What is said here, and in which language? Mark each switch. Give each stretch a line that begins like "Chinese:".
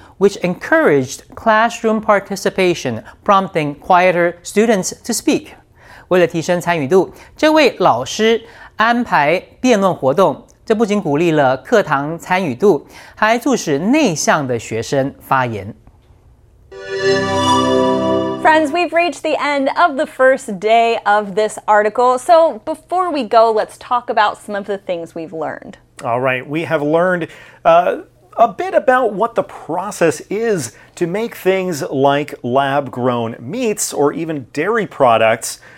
English: Which encouraged classroom participation, prompting quieter students to speak.
Chinese: 为了提升参与度，这位老师安排辩论活动，这不仅鼓励了课堂参与度，还促使内向的学生发言。
English: Friends, we've reached the end of the first day of this article. So before we go, let's talk about some of the things we've learned. All right, we have learned, a bit about what the process is to make things like lab-grown meats or even dairy products.